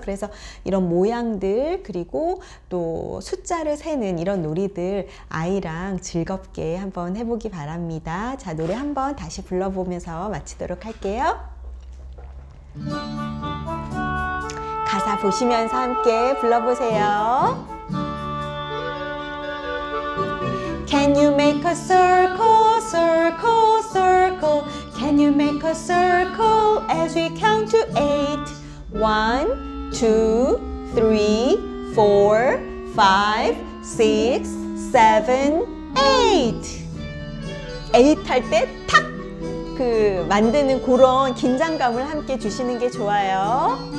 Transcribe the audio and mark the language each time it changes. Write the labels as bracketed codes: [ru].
[ko] 그래서 이런 모양들 그리고 또 숫자를 세는 이런 놀이들 아이랑 즐겁게 한번 해보기 바랍니다. 자, 노래 한번 다시 불러보면서 마치도록 할게요. 가사 보시면서 함께 불러보세요. [en] Can you make a circle, circle, circle? Can you make a circle as we count to eight? One, two, three, four, five, six, seven, eight. [ko] 에잇 할 때 탁! 그 만드는 그런 긴장감을 함께 주시는 게 좋아요.